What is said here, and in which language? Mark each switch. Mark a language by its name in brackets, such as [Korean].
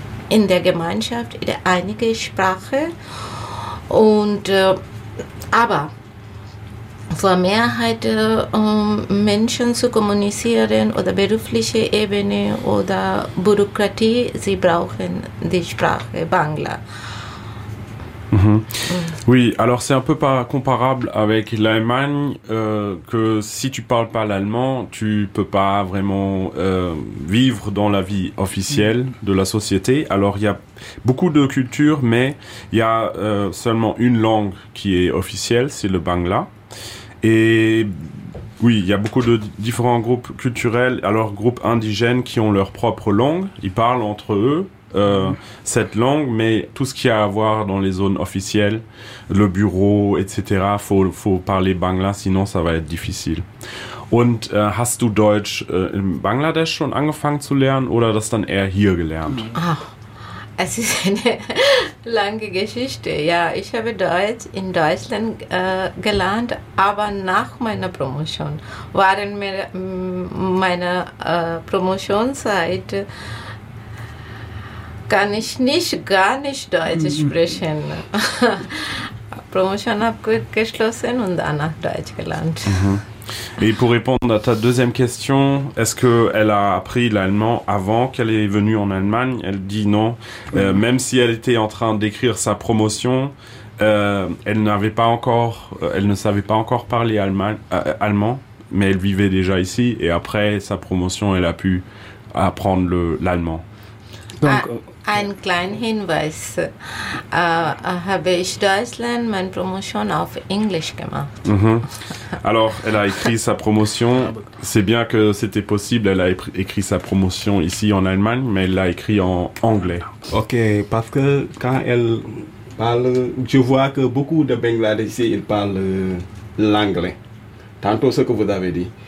[German] in der Gemeinschaft einige Sprache und aber für Mehrheit Menschen zu kommunizieren oder berufliche Ebene oder Bürokratie, sie brauchen die Sprache Bangla. Mhm. [French] Oui, alors c'est un peu pas comparable avec l'Allemagne que si tu parles pas l'allemand, tu peux pas vraiment vivre dans la vie officielle de la société. Alors il y a beaucoup de cultures, mais il y a seulement une langue qui est officielle, c'est le Bangla. Et oui, il y a beaucoup de différents groupes culturels, alors groupes indigènes qui ont leur propre langue, ils parlent entre eux. Cette langue, mais tout ce qui a à voir dans les zones officielles, le bureau, etc., faut parler Bangla, sinon ça va être difficile. [German] Und hast du Deutsch in Bangladesch schon angefangen zu lernen oder das dann eher hier gelernt? Ach, es ist eine lange Geschichte. Ja, ich habe Deutsch in Deutschland gelernt, aber nach meiner Promotion waren mir meine Promotionszeit kann ich gar nicht Deutsch sprechen. Promotion abgeschlossen und danach Deutsch gelernt. [French] Mm-hmm. Et pour répondre à ta deuxième question, est-ce qu'elle a appris l'allemand avant qu'elle est venue en Allemagne? Elle dit non. Même si elle était en train d'écrire sa promotion, elle ne savait pas encore parler allemand, mais elle vivait déjà ici. Et après sa promotion, elle a pu apprendre l'allemand. [German] Donc, ein kleiner Hinweis, habe ich Deutschland meine Promotion auf Englisch gemacht. Mm-hmm. [French] Alors, elle a écrit sa promotion, c'est bien que c'était possible, elle a écrit sa promotion ici en Allemagne, mais elle l'a écrit en anglais. Ok, parce que quand elle parle, je vois que beaucoup de Bangladeshis, ils parlent l'anglais, tantôt ce que vous avez dit.